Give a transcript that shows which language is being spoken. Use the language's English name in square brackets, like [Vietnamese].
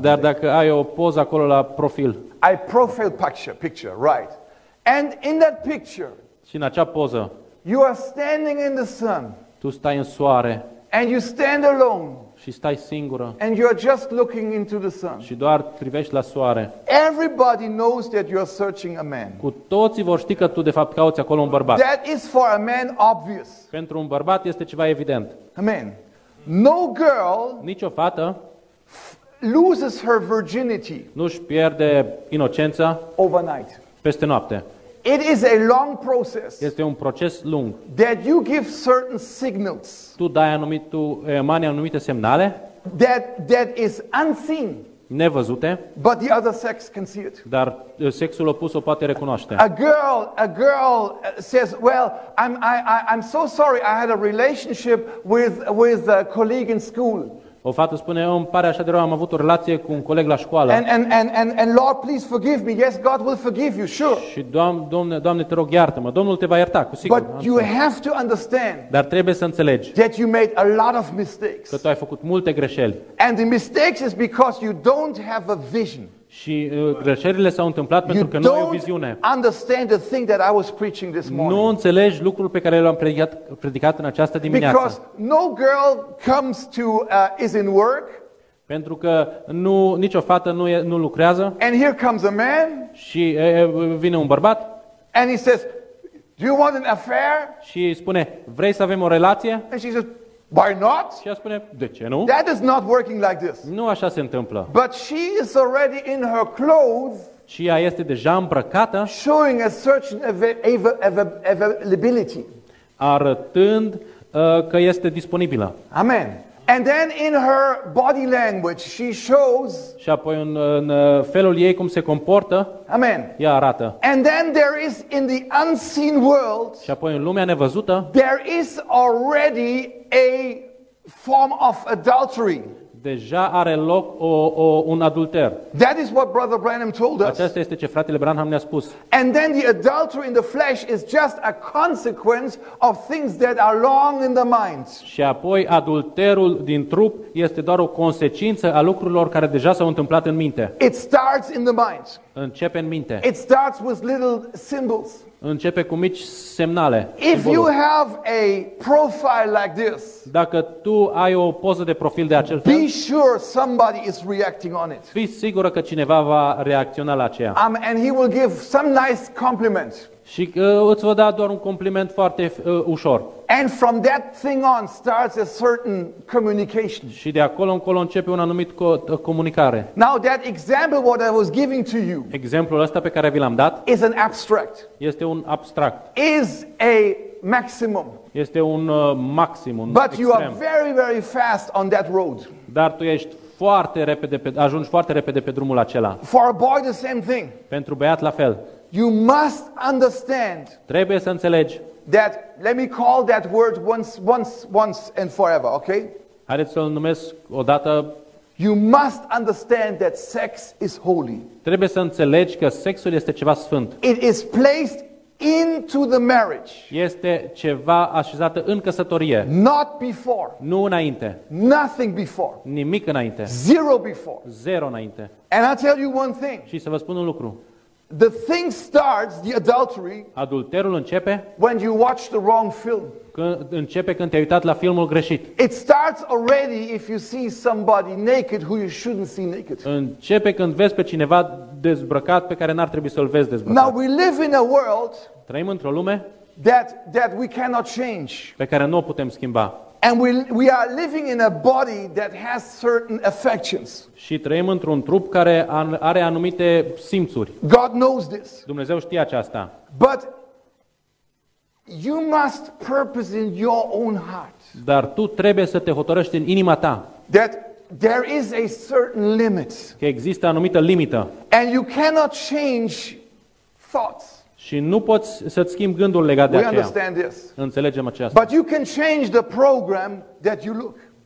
[Romanian] Dar dacă ai o poză acolo la profil. [English] I profile picture, right. And in that picture. [Romanian] Și în acea poză. [English] You are standing in the sun. [Romanian] Tu stai în soare. [English] And you stand alone. [Romanian] Și stai singură. [English] And you are just looking into the sun. [Romanian] Și doar privești la soare. [English] Everybody knows that you are searching a man. [Romanian] Cu toții vor ști că tu de fapt cauți acolo un bărbat. [English] That is for a man obvious. [Romanian] Pentru un bărbat este ceva evident. [English] Amen. No girl, [Romanian] nicio fată, [English] loses her virginity. [Romanian] Nu-și pierde inocența [English] overnight. [Romanian] Peste noapte. [English] It is a long process. [Romanian] Este un proces lung. [English] That you give certain signals. [Romanian] Tu dai anumite semnale. [English] That is unseen. [Romanian] Nevăzute. [English] But the other sex can see it. [Romanian] Dar sexul opus o poate recunoaște. [English] A girl says, "Well, I'm so sorry. I had a relationship with a colleague in school." [Romanian] O fată spune, "Îmi pare așa de rău, am avut o relație cu un coleg la școală." [English] And Lord, please forgive me. Yes, God will forgive you. Sure. [Romanian] Și Doamne, te rog, iartă-mă. Domnul te va ierta, cu sigur. [English] But you have to understand. [Romanian] Dar trebuie să înțelegi. [English] That you made a lot of mistakes. [Romanian] Că tu ai făcut multe greșeli. [English] And the mistakes is because you don't have a vision. [Romanian] Și greșelile s-au întâmplat pentru că nu ai o viziune. [English] Understand the thing that I was preaching this morning. [Romanian] Nu înțelegi lucrul pe care l-am predicat în această dimineață. [English] Because no girl comes to is in work. [Romanian] Pentru că nicio fată nu lucrează. [English] And here comes a man. [Romanian] Și vine un bărbat. [English] And he says, "Do you want an affair?" [Romanian] Și spune, "Vrei să avem o relație?" [English] And she says, "Why not?" [Romanian] Și a spune, "De ce nu?" [English] That is not working like this. [Romanian] Nu așa se întâmplă. [English] But she is already in her clothes. [Romanian] Și ea este deja îmbrăcată. [English] Showing a certain availability. [Romanian] Arătând că este disponibilă. [English] Amen. And then in her body language she shows. [Romanian] Și apoi în felul ei cum se comportă. [English] Amen. [Romanian] Ea arată. [English] And then there is in the unseen world. [Romanian] Și apoi în lumea nevăzută. [English] There is already a form of adultery. [Romanian] deja are loc un adulter. [English] That is what Brother Branham told us. [Romanian] Aceasta este ce fratele Branham ne-a spus. [English] And then the adultery in the flesh is just a consequence of things that are long in the mind. [Romanian] Și apoi adulterul din trup este doar o consecință a lucrurilor care deja s-au întâmplat în minte. [English] It starts in the mind. [Romanian] Începe în minte. [English] It starts with little symbols. [Romanian] Începe cu mici semnale. [English] If you have a profile like this, [Romanian] dacă tu ai o poză de profil de acel fel, [English] be sure somebody is reacting on it. [Romanian] Fii sigură că cineva va reacționa la aceea. [English] And he will give some nice compliment. [Romanian] Și îți va da doar un compliment foarte ușor. [English] And from that thing on starts a certain communication. [Romanian] Și de acolo încolo începe un anumit comunicare. [English] Now that example what I was giving to you. [Romanian] Exemplul ăsta pe care vi l-am dat. [English] Is an abstract. [Romanian] Este un abstract. [English] Is a maximum. [Romanian] Este un maxim, un extrem. [English] But you are very very fast on that road. [Romanian] Dar tu ești foarte repede ajungi foarte repede pe drumul acela. [English] For a boy the same thing. [Romanian] Pentru băiat la fel. [English] You must understand. [Romanian] Trebuie să înțelegi. [English] That let me call that word once and forever, okay? [Romanian] Haideți să-l numesc o dată. [English] You must understand that sex is holy. [Romanian] Trebuie să înțelegi că sexul este ceva sfânt. [English] It is placed into the marriage. [Romanian] Este ceva așezat în căsătorie. [English] Not before. [Romanian] Nu înainte. [English] Nothing before. [Romanian] Nimic înainte. [English] Zero before. [Romanian] Zero înainte. [English] And I tell you one thing. [Romanian] Și să vă spun un lucru. [English] The thing starts, the adultery. [Romanian] Adulterul începe. [English] When you watch the wrong film. [Romanian] Când începe când te-ai uitat la filmul greșit. [English] It starts already if you see somebody naked who you shouldn't see naked. [Romanian] Începe când vezi pe cineva dezbrăcat pe care n-ar trebui să-l vezi dezbrăcat. [English] Now we live in a world. [Romanian] Trăim într-o lume. [English] That we cannot change. [Romanian] Pe care nu o putem schimba. [English] And we are living in a body that has certain affections. [Romanian] Și trăim într-un trup care are anumite simțuri. [English] God knows this. [Romanian] Dumnezeu știe aceasta. [English] But you must purpose in your own heart. [Romanian] Dar tu trebuie să te hotărăști în inima ta. [English] That there is a certain limit. [Romanian] Că există anumită limită. [English] And you cannot change thoughts. [Romanian] Și nu poți să-ți schimbi gândul legat de aceea. Înțelegem aceasta. [English] But you can change the program that you look.